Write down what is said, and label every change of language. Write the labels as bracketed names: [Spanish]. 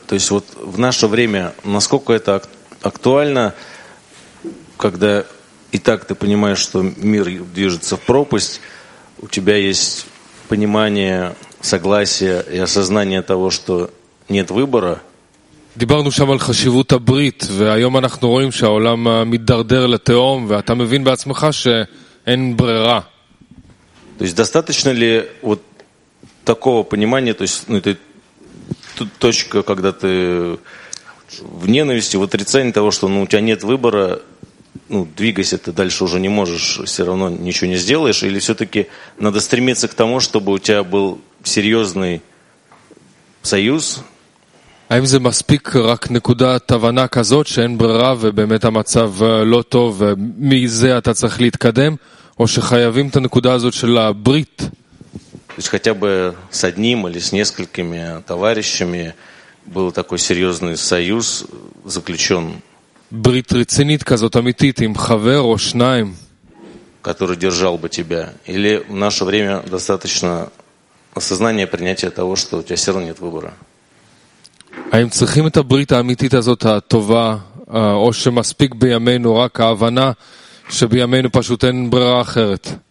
[Russian] То есть вот в наше время, насколько это актуально, когда и так ты понимаешь, что мир движется в пропасть, у тебя есть понимание, согласие и осознание того, что нет выбора. [Hebrew] דיברנו שם על חשיבות הברית, והיום אנחנו רואים שהעולם מתדרדר לתהום, ואתה מבין בעצמך שאין ברירה. [Russian] То есть достаточно ли вот такого понимания, то есть ну, это точка, когда ты в ненависти, в отрицании того, что ну, у тебя нет выбора, ну, двигайся ты дальше уже не можешь, все равно ничего не сделаешь, или все-таки надо стремиться к тому, чтобы у тебя был серьезный союз? [Hebrew] האם זה מספיק רק נקודת הבנה כזאת שאין ברירה ובאמת המצב לא טוב ומזה אתה צריך להתקדם? או שחייבים את הנקודה הזאת של הברית? [Russian] То есть хотя бы с одним или с несколькими товарищами был такой серьезный союз заключен. [Hebrew] ברית רצינית כזאת אמיתית עם חבר או שניים. [Russian] Который держал бы тебя. Или в наше время достаточно осознания принятия того, что у тебя все равно нет выбора. [Hebrew] האם צריכים את הברית האמיתית הזאת הטובה, או שמספיק בימינו רק ההבנה שבימינו פשוט אין ברירה אחרת?